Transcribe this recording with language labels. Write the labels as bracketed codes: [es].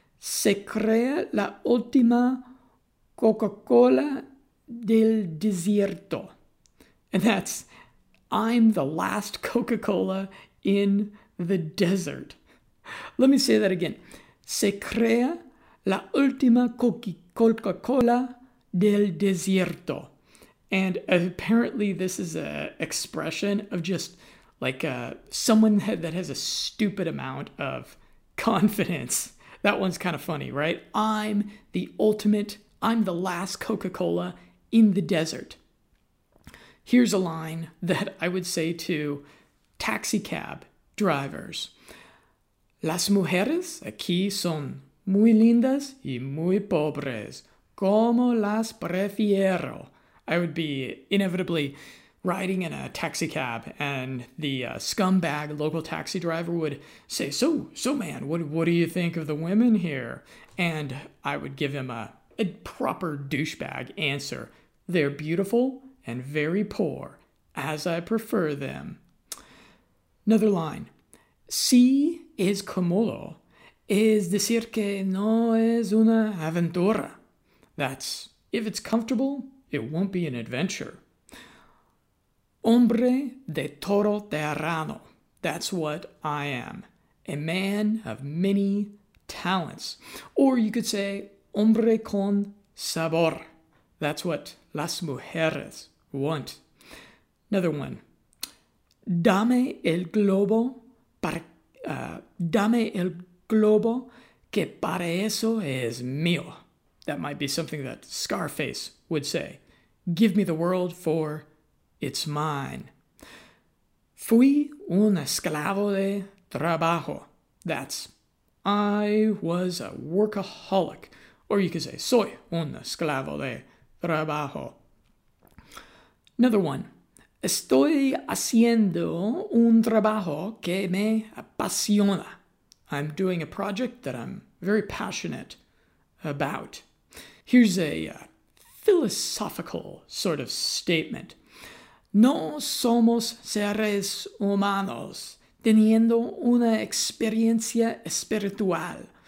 [es] Se crea la última Coca-Cola del desierto. [en] And that's, I'm the last Coca-Cola in the desert. Let me say that again. [es] Se crea la última Coca-Cola del desierto. [en] And apparently this is an expression of just like someone that has a stupid amount of confidence. That one's kind of funny, right? I'm the last Coca-Cola in the desert. Here's a line that I would say to taxi cab drivers. [es] Las mujeres aquí son muy lindas y muy pobres. Como las prefiero. [en] I would be inevitably riding in a taxi cab and the scumbag local taxi driver would say, so man, what do you think of the women here? And I would give him a proper douchebag answer. They're beautiful and very poor, as I prefer them. Another line. [es] Si es cómodo, es decir que no es una aventura. [en] That's, if it's comfortable, it won't be an adventure. [es] Hombre de todo terreno. [en] That's what I am. A man of many talents. Or you could say, [es] hombre con sabor. [en] That's what [es] las mujeres [en] want. Another one. [es] Dame el globo que para eso es mío. [en] That might be something that Scarface would say. Give me the world for it's mine. [es] Fui un esclavo de trabajo. [en] That's, I was a workaholic. Or you could say, [es] soy un esclavo de trabajo. [en] Another one. [es] Estoy haciendo un trabajo que me apasiona. [en] I'm doing a project that I'm very passionate about. Here's a philosophical sort of statement. [es] No somos seres humanos teniendo una experiencia espiritual.